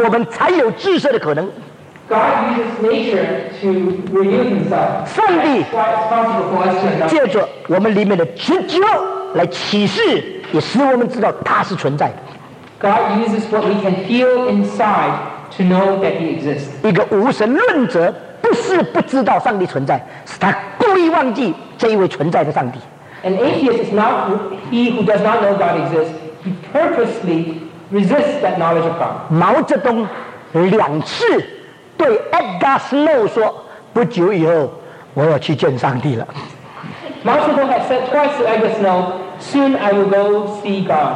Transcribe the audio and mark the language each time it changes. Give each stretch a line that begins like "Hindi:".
Chinese: 上帝借着自然来显明他自己，我们才有知识的可能。
English: God uses nature to renew himself.
Chinese: 上帝借着我们里面的直觉来启示，也使我们知道他是存在的。
English: God uses what we can feel inside to know that he exists.
Chinese: 一个无神论者不是不知道上帝存在，是他故意忘记这一位存在的上帝。
English: An atheist is not he who does not know God exists. He purposely resists that knowledge of God.
Chinese: 毛泽东两次对 Edgar Snow 说：“不久以后，我要去见上帝了。”
English: Mao Zedong had said twice to Edgar Snow, "Soon I will go see God."